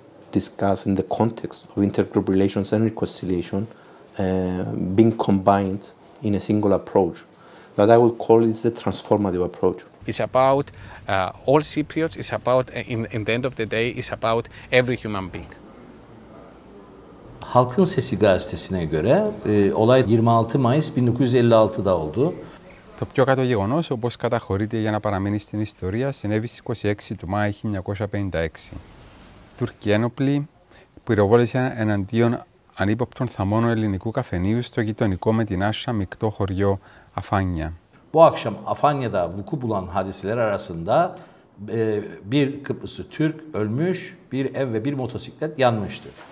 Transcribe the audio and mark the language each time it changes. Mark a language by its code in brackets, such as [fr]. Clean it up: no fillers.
[en] discussed in the context of intergroup relations and reconciliation being combined in a single approach that I would call it the transformative approach. It's about all Cypriots, it's about, in the end of the day, it's about every human being. [tr] Halkın Sesi gazetesine göre olay 26 Mayıs 1956'da oldu. [el] Το πιο κάτω γεγονός, όπως καταχωρείται για να παραμείνει στην ιστορία, συνέβη στις 26 του Μάη 1956. Τουρκοί ένοπλοι πυροβόλησαν εναντίον ανύποπτων θαμών ελληνικού καφενείου στο γειτονικό με την Άσσα μεικτό χωριό Αφάνια. [tr] Bu akşam Afanya'da vuku bulan hadiseler arasında bir Kıbrıslı Türk ölmüş, bir ev ve bir motosiklet yanmıştı.